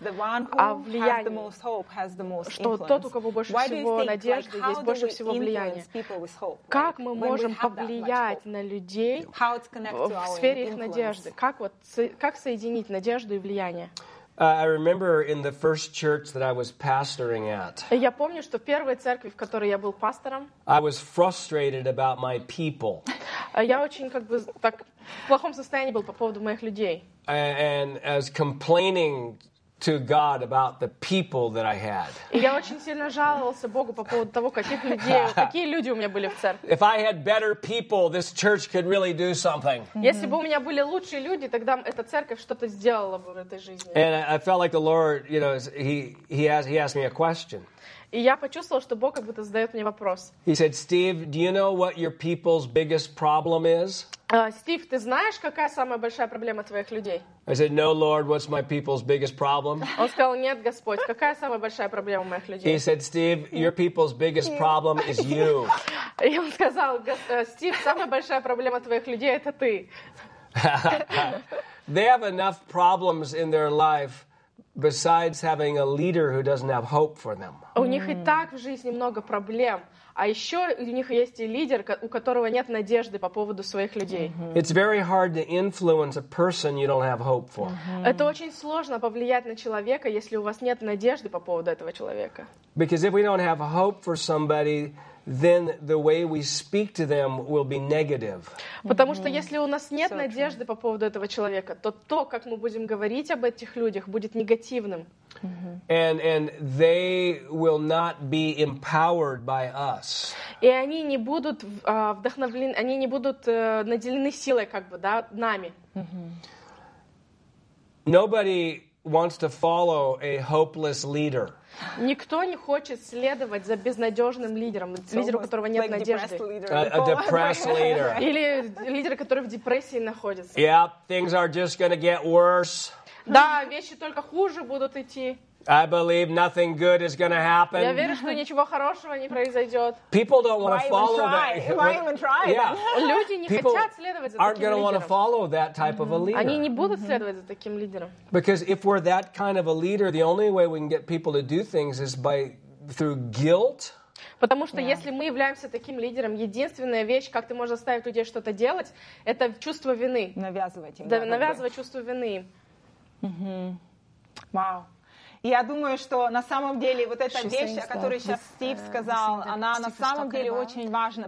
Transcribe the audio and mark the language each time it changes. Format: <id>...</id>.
<ru>том, что о влиянии, что тот, у кого больше всего надежды, like, есть больше всего влияния. Как мы можем повлиять на людей в сфере их надежды? Как, вот, как соединить надежду и влияние?</ru> <en>I remember in the first church that I was pastoring at.</en> <ru>Я помню, что в первой церкви, в которой я был пастором.</ru> <en>I was frustrated about my people.</en> <ru>Я очень как бы так в плохом состоянии был по поводу моих людей.</ru> <en>And as complaining to God about the people that I had.</en> <ru>Я очень сильно жаловался Богу по поводу того, каких людей, какие люди у меня были в церкви.</ru> <en>If I had better people, this church could really do something.</en> <ru>Если бы у меня были лучшие люди, тогда эта церковь что-то сделала бы в этой жизни.</ru> <en>And I felt like the Lord, you know, he asked me a question.</en> <ru>И я почувствовал, что Бог как будто задает мне вопрос.</ru> <en>He said, Steve, do you know what your people's biggest problem is?</en> <ru>Стив, ты знаешь, какая самая большая проблема твоих людей?</ru> <en>I said, no, Lord, what's my people's biggest problem?</en> <ru>Он сказал, нет, Господь, какая самая большая проблема моих людей?</ru> <en>He said, Steve, your people's biggest problem is you.</en> <ru>И он сказал, Стив, самая большая проблема твоих людей — это ты.</ru> <en>They have enough problems in their life besides having a leader who doesn't have hope for them.</en> <ru>У них и так в жизни много проблем. А еще у них есть и лидер, у которого нет надежды по поводу своих людей.</ru> <en>It's very hard to influence a person you don't have hope for.</en> <ru>Это очень сложно повлиять на человека, если у вас нет надежды по поводу этого человека.</ru> <en>Because if we don't have hope for somebody, then the way we speak to them will be negative.</en> <ru>Потому что если у нас нет надежды по поводу этого человека, то как мы будем говорить об этих людях, будет негативным.</ru> <en>And they will not be empowered by us.</en> <ru>И они не будут вдохновлены, они не будут наделены силой, как бы, да, нами.</ru> <en>Nobody wants to follow a hopeless leader.</en> <ru>Никто не хочет следовать за безнадежным лидером, лидеру, у которого нет like надежды.</ru> <en>A depressed leader.</en> <ru>Или лидер, который в депрессии находится.</ru> <en>Yep, things are just going to get worse.</en> <ru>Да, вещи только хуже будут идти.</ru> <en>I believe nothing good is going to happen.</en> <ru>Я верю, что ничего хорошего не произойдет.</ru> <en>People don't want to follow that. Why even try? Yeah.</en> <ru>Люди не</ru> <en>People</en> <ru>хотят следовать за таким</ru> <en>лидером. Aren't going to want to follow that type of a leader.</en> <ru>Они не будут следовать за таким лидером. Because if we're that kind of a leader, the only way we can get people to do things is by through guilt. Потому что если мы являемся таким лидером, единственная вещь, как ты можешь заставить людей что-то делать, это чувство вины. Навязывать им. Да, навязывать чувство вины. Вау. Я думаю, что на самом деле вот эта вещь, о которой сейчас Стив сказал, она на самом деле очень важна.</ru>